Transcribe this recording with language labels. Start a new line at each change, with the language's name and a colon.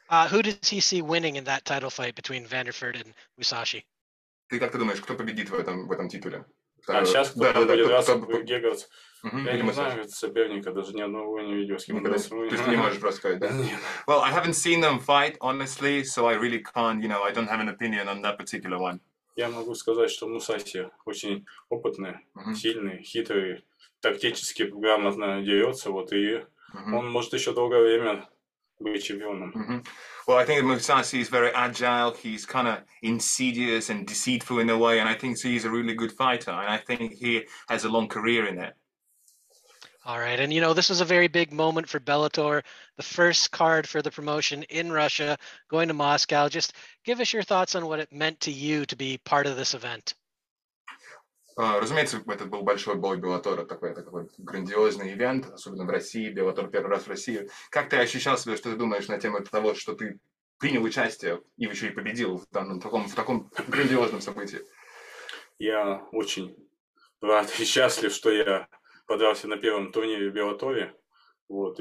English: Who does he see winning in that title fight between Vanderford and Mousasi?
Russian: Ты как ты думаешь, кто победит в этом титуле? А сейчас кто-то будет Гегерс.
English: Well, I haven't seen them fight, honestly, so I really can't, you know, I don't have an opinion on that particular one.
Russian: Я могу сказать, что Мусаси очень опытный, сильный, хитрый, тактически грамотно дерется, вот, и он может еще долгое время быть чемпионом.
English: Well, I think Мусаси is very agile, he's kind of insidious and deceitful in a way, and I think he's a really good fighter, and I think he has a long career in it. All right, and you know, this was a very big moment for Bellator, the first card for the promotion in Russia, going to Moscow. Just give us your thoughts on what it meant to you to be part of this event.
Russian: Разумеется, это был большой бой Беллатора, такой грандиозный ивент, особенно в России, Беллатор первый раз в России. Как ты ощущал себя, что ты думаешь на тему того, что ты принял участие и еще и победил в данном таком грандиозном событии? Я очень рад и счастлив, что я подрался на первом турнире в Беллаторе. Вот.